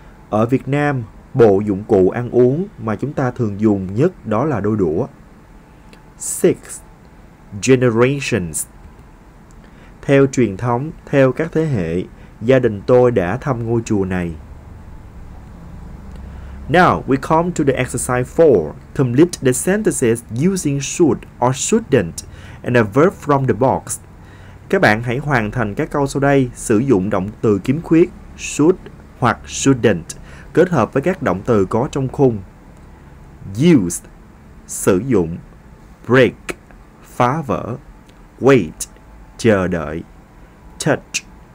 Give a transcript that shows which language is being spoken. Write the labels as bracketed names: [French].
[Vietnamese] Ở Việt Nam, bộ dụng cụ ăn uống mà chúng ta thường dùng nhất đó là đôi đũa. [English] 6. Generations. [Vietnamese] Theo truyền thống, theo các thế hệ, gia đình tôi đã thăm ngôi chùa này. [English] Now, we come to the exercise 4. Complete the sentences using should or shouldn't and a verb from the box. [Vietnamese] Các bạn hãy hoàn thành các câu sau đây sử dụng động từ kiếm khuyết should hoặc shouldn't kết hợp với các động từ có trong khung. Use, sử dụng. Break, phá vỡ. Wait, chờ đợi. Touch,